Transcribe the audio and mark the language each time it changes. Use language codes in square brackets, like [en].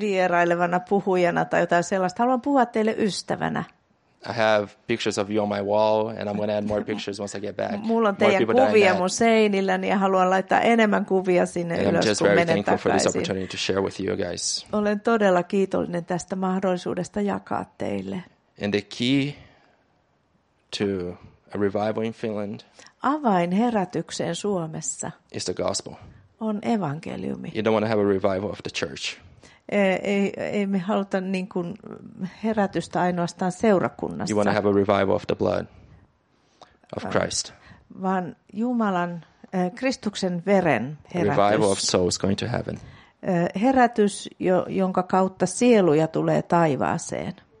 [fi] Vierailevana puhujana tai jotain sellaista. Haluan puhua teille ystävänä. [en] I have pictures of you on my wall and I'm going to add more pictures once I get back. [fi] Mulla on teidän kuvia mun seinilläni ja haluan laittaa enemmän kuvia sinne [en] and [fi] ylös, kun menen takaisin. [en] I'm just very thankful for this opportunity to share with you guys. [fi] Olen todella kiitollinen tästä mahdollisuudesta jakaa teille. [en] And the key to a revival in Finland. [fi] Avain herätykseen Suomessa. [en] Is the gospel. [fi] On evankeliumi. [en] You don't want to have a revival of the church. [fi] Ei me haluta niin kuin herätystä ainoastaan seurakunnassa. [en] You want to have a revival of the blood of Christ. [fi] Vaan Jumalan Kristuksen veren herätys. [en] Revival of souls going to heaven. [fi] Herätys jonka kautta sieluja tulee taivaaseen.